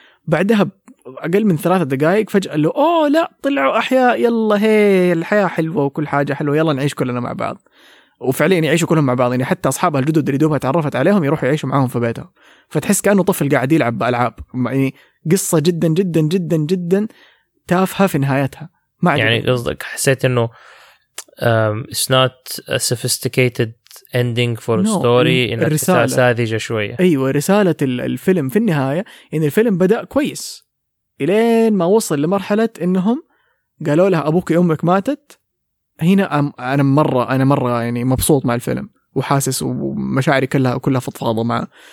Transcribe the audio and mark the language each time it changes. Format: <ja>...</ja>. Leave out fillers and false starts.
<ar>بعدها اقل من 3 دقائق فجاه له اوه لا طلعوا احياء، يلا هي الحياه حلوه وكل حاجه حلوه، يلا نعيش كلنا مع بعض. وفعليا يعيشوا كلهم مع بعض، يعني حتى اصحابها الجدد اللي دوبها تعرفت عليهم يروحوا يعيشوا معاهم في بيتها، فتحس كانه طفل قاعد يلعب بالالعاب. يعني قصه جدا جدا جدا جدا تافهه في نهايتها. يعني قصدك حسيت انه</ar> <en>it's not a sophisticated ending for a story.</en> <ar>الرسالة ساذجة شوية. أيوة رسالة الفيلم في النهاية، يعني الفيلم بدأ كويس إلين ما وصل لمرحلة إنهم قالوا لها أبوك أمك ماتت. هنا أنا مرة يعني مبسوط مع الفيلم وحاسس ومشاعري كلها فضفاضة معه.</ar>